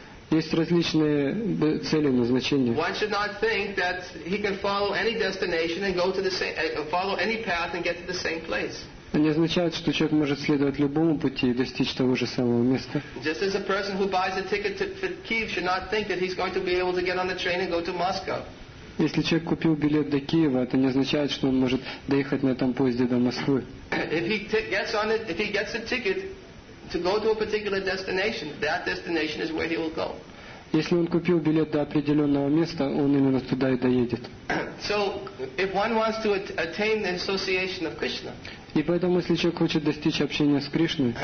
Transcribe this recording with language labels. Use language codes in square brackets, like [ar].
[ru] Есть различные цели, назначения. [en] One should not think that he can follow any destination and go to the same, follow any path and get to the same place. [ru] Не означает, что человек может следовать любому пути и достичь того же самого места. [en] Just as a person who buys a ticket to Kiev should not think that he's going to be able to get on the train and go to Moscow. [ru] Если человек купил билет до Киева, это не означает, что он может доехать на этом поезде до Москвы. [en] If he gets a ticket to go to a particular destination, that destination is where he will go. [ru] Если он купил билет до определенного места, он именно туда и доедет. [en] So, if one wants to attain the association of Krishna, [ru] и поэтому, если человек хочет достичь общения с Кришной,